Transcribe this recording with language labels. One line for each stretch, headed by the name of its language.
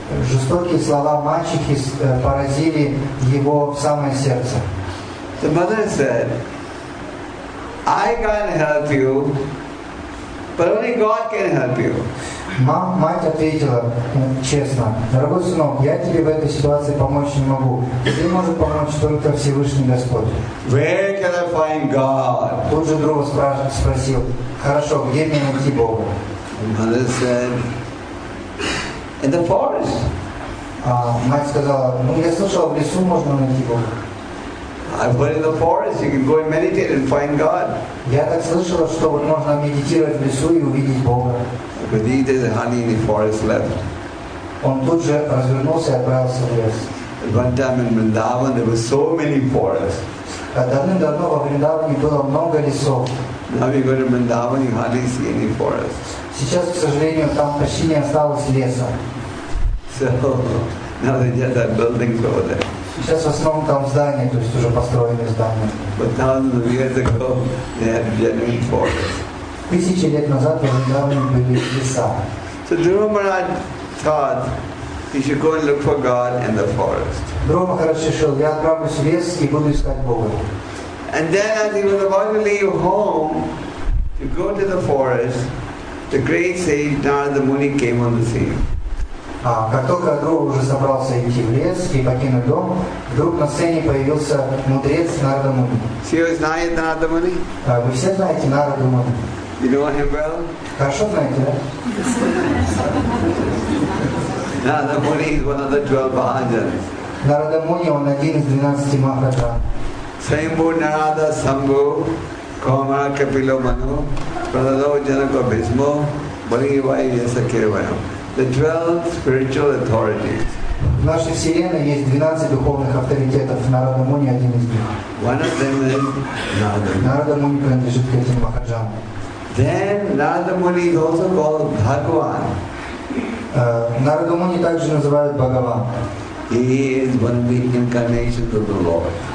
Russian: Жестокие слова мачехи поразили его в самое сердце.
English: The mother said, "I can't help you, but only God can help you."
Russian: Мать ответила честно: "Дорогой сынок, я тебе в этой ситуации помочь не могу. Ты можешь помочь только Всевышний Господь."
English: Where can I find God?
Russian: Тут же Дрова спросил: "Хорошо, где мне найти Бога?"
English: The mother said, "In the forest."
Russian: Мать сказала: "Ну, я слышал, в лесу можно найти Бога."
English: I've heard in the forest you can go and meditate and find God.
Russian: Я так слышала, что можно медитировать в лесу и увидеть Бога.
English: But he did the honey in the forest left.
Russian: Он тут же развернулся и отправился в лес.
English: At one time in Vrindavan there were so many forests.
Russian: Давным-давно во Вриндаване было много лесов.
English: Now we go to Vrindavan, you hardly see any forests.
Russian: Сейчас, к сожалению, там почти не осталось леса.
English: So now they just have buildings over there.
Russian: Сейчас в основном там здания, то есть уже построены здания.
English: But thousands of years ago, they had genuine forests.
Russian: Тысячи лет назад в Вриндаване были леса.
English: So Dhruva Maharaj thought he should go and look for God in the forest.
Russian: Dhruva Maharaj решил, я отправлюсь в лес и буду искать Бога.
English: And then as he was about to leave home to go to the forest, the great sage Narada Muni came on the scene.
Russian: Как только Дрова уже собрался идти в лес и покинуть дом, вдруг на сцене появился мудрец Нарада Муни.
English: So you
Russian: знаете
English: Нарада Муни?
Russian: Вы все знаете Нарада Муни.
English: You know him well?
Russian: Хорошо знаете, да?
English: Нарада Муни is one of the 12 Bhajans.
Russian: Нарада Муни, он один из 12 Махаджан.
Sanskrit: Sambhu Narada Sambhu Komara Kapilo Manu Pradalo Janaka Bhismo Balivai Yasakirvayam.
English: The 12 spiritual authorities.
Russian: В нашей вселенной есть 12 духовных авторитетов. Нарада Муни один из них.
English: One of them is Narada.
Russian: Нарада Муни принадлежит к этим Махаджанам.
English: Then Narada Muni is also called Bhagavan.
Russian: Нарада Муни также называют Бхагаван.
English: He is one of the incarnations of the Lord.